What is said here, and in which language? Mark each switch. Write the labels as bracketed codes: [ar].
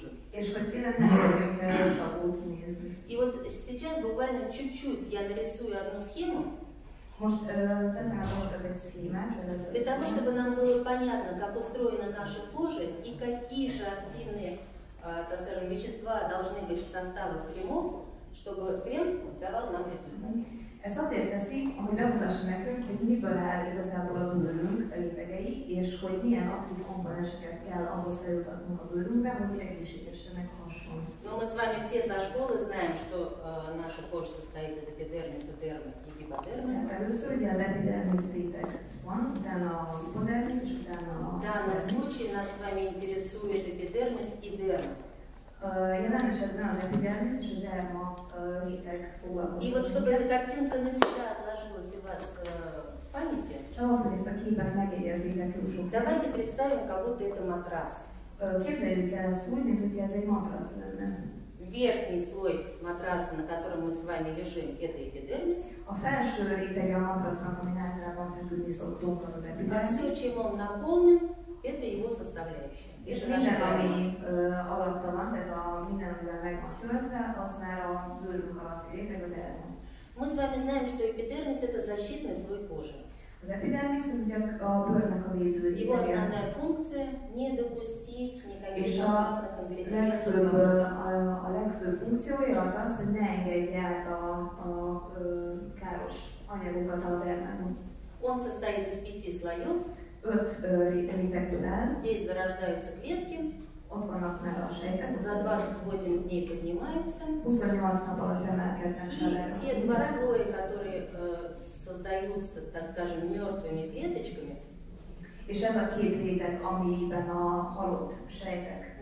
[hu] És hogy tényleg nem érjünk el rosszabbul kinézni. [ru] И вот сейчас буквально чуть-чуть я нарисую одну схему. Может, это работает эта схема? Потому чтобы нам было понятно, как устроена наша кожа и какие же активные, так скажем, вещества должны быть в составах кремов, чтобы крем давал нам результат. [hu] Ez azért teszik, hogy megmutassa nekünk, hogy miből áll igazából a bőrünk rétegei, és hogy milyen aktív komponenseket kell ahhoz feljutatnunk a bőrünkbe, hogy egészségesenek hason. [ru] No, мы с вами все со школы знаем, что наша кожа состоит из эпидермиса, дермы и гиподермы. [hu] Hát először ugye az epidermis réteg van, utána a hipodermis, és utána a... [ru] Да, на случай нас с вами интересует эпидермис и дерма. [hu] Jelen esetben az epidermis és a derma réteg foglalkozik. [ru] И вот чтобы эта картинка навсегда отложилась у вас в памяти. [hu] Ahhoz, hogy ezt a képet megjegyezzétek jó sok. [ru] Давайте представим, как будто это матрас. [hu] Képzeljük el ezt úgy, mint hogy ez egy matrac lenne. [ru] Верхний слой матраса, на котором мы с вами лежим, это эпидермис. [hu] A felső réteg a matrasznak, ami általában feküdni szoktunk, az az epidermis. [ru] А все, чем он наполнен, это его составляющие. [hu] És minden, ami alatta van, tehát a minden, amivel meg van töltve, az már a bőrünk alatti réteg, a derma. [ru] Мы с вами знаем, что эпидермис – это защитный слой кожи. [hu] Az epidermis, ez ugye a bőrnek a védő réteg. [ru] Его основная функция – не допустить никаких опасных ингредиентов. [hu] És a legfőbb funkciója az az, hogy ne engedje át a káros anyagokat a dermában. [ru] Он состоит из пяти слоев. [hu] Öt rétegből áll. [ru] Здесь зарождаются клетки. [hu] Ott vannak már a sejtek. [ru] За 28 дней поднимаются. [hu] 28 нап alatt emelkednek fel. [ru] И те два слоя, которые создаются, так скажем, мертвыми клеточками. [hu] És ez a két réteg, amiben a halott sejtek